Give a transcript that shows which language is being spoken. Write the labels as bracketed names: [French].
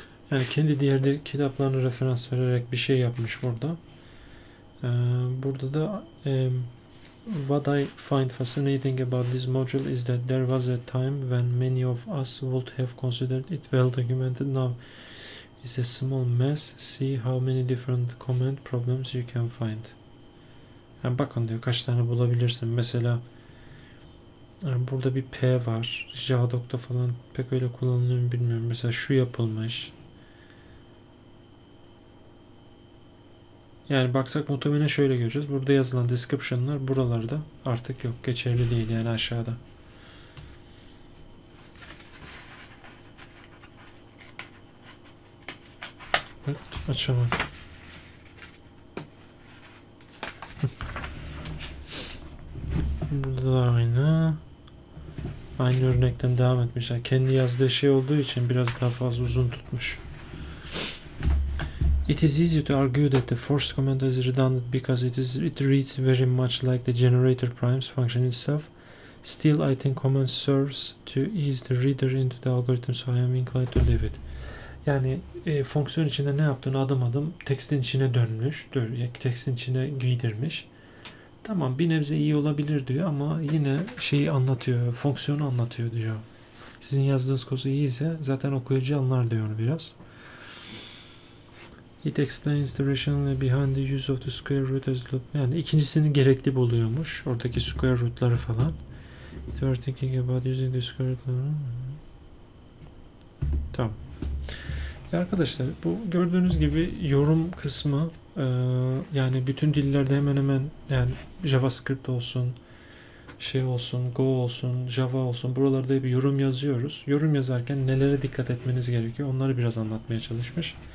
[Turkish] Yani kendi diğer de kitaplarına referans vererek bir şey yapmış burada. Burada da [English] what I find fascinating about this module is that there was a time when many of us would have considered it well documented. Now it's a small mess. See how many different comment problems you can find. [Turkish] Yani bakın diyor kaç tane bulabilirsin. Mesela yani burada bir P var. JavaDoc'ta falan pek öyle kullanılıyor mu bilmiyorum. Mesela şu yapılmış. Yani baksak muhtemelen şöyle göreceğiz. Burada yazılan description'lar buralarda artık yok. Geçerli değil yani aşağıda. Evet, açalım. Burada da aynı. Aynı örnekten devam etmişler. Kendi yazdığı şey olduğu için biraz daha fazla uzun tutmuş. [English] It is easy to argue that the first comment is redundant because it reads very much like the generator primes function itself. Still, I think comment serves to ease the reader into the algorithm, so I am inclined to leave it. [Turkish] Yani fonksiyon içinde ne yaptığını adım adım tekstin içine dönmüş, tekstin içine giydirmiş. Tamam, bir nebze iyi olabilir diyor ama yine şeyi anlatıyor, fonksiyonu anlatıyor diyor. Sizin yazdığınız kodu iyiyse zaten okuyucu anlar diyor biraz. [English] It explains the rationale behind the use of the square root as loop. [Turkish] Yani ikincisini gerekli buluyormuş. Oradaki square root'ları falan. [English] It was thinking about using the square root. [Turkish] Tamam. Ya arkadaşlar, bu gördüğünüz gibi yorum kısmı yani bütün dillerde hemen hemen yani JavaScript olsun, şey olsun, Go olsun, Java olsun buralarda hep yorum yazıyoruz. Yorum yazarken nelere dikkat etmeniz gerekiyor? Onları biraz anlatmaya çalışmış.